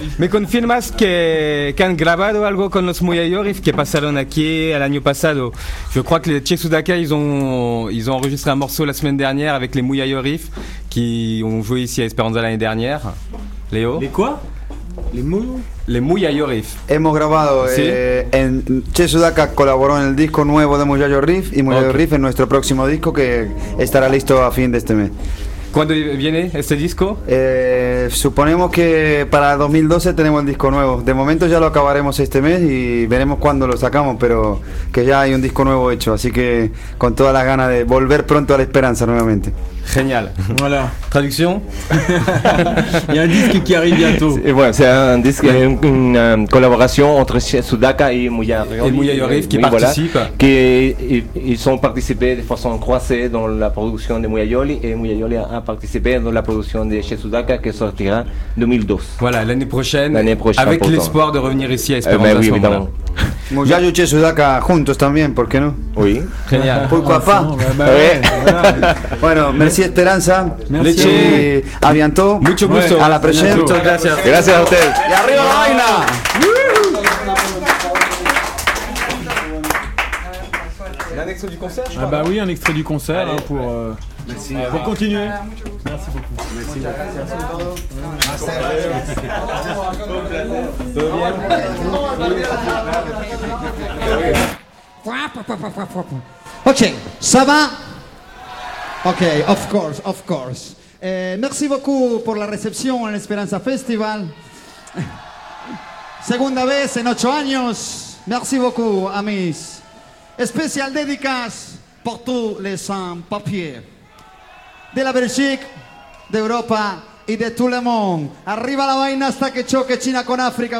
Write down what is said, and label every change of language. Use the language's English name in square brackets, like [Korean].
[Spanish] ¿Me confirmas que han grabado algo con los Muyayorif que pasaron aquí el año pasado? [French] Je crois que les Che Sudaka, ils ont enregistré un morceau la semaine dernière avec les Muyayorif qui ont joué ici à Esperanza l'année dernière. Léo. Les quoi? Les Muyayo Riff. [Spanish] Hemos grabado, ¿sí? En Che Sudaca colaboró en el disco nuevo de Muyayo Riff y Muyayo, okay, Riff en nuestro próximo disco que estará listo a fin de este mes. ¿Cuándo viene este disco? Suponemos que para 2012 tenemos el disco nuevo. De momento ya lo acabaremos este mes y veremos cuándo lo sacamos, pero que ya hay un disco nuevo hecho. Así que con todas las ganas de volver pronto a la esperanza nuevamente. Genial. [French] Voilà. [Spanish] Traducción. [French] Il y a un disque qui arrive bientôt. Et voilà, c'est un disque, une collaboration entre Sudaka et Muyayo. Et Muyayo Riff qui participent. Voilà, qui ils ont participé de façon croisée dans la production de Muyayo et Muyayo a participé dans la production de Che Sudaka qui sortira 2012. Voilà, l'année prochaine. L'année prochaine. Avec l'espoir de revenir ici à Esperanza. Mais oui, évidemment. [Spanish] Muyayo Che Sudaka juntos también, ¿por qué no? [French] Oui. Génial. Pourquoi pas? Bueno, merci Esperanza. Merci. A bientôt. [Spanish] Mucho gusto. A la presente. Muchas gracias. Gracias a usted. Y arriba la vaina. [French] Ah bah oui, un extrait du concert. Allez, hein, pour, merci. Pour continuer. Merci beaucoup. Merci. Ok, ça va? [English] Ok, of course, of course. [French] Merci beaucoup pour la réception en Esperanza Festival. [Spanish] Segunda vez en 8 años. [French] Merci beaucoup, amis. Spécial dédicace pour tous les sans-papiers de la Belgique, d'Europe et de tout le monde. [Spanish] Arriba la vaina hasta que choque China con África.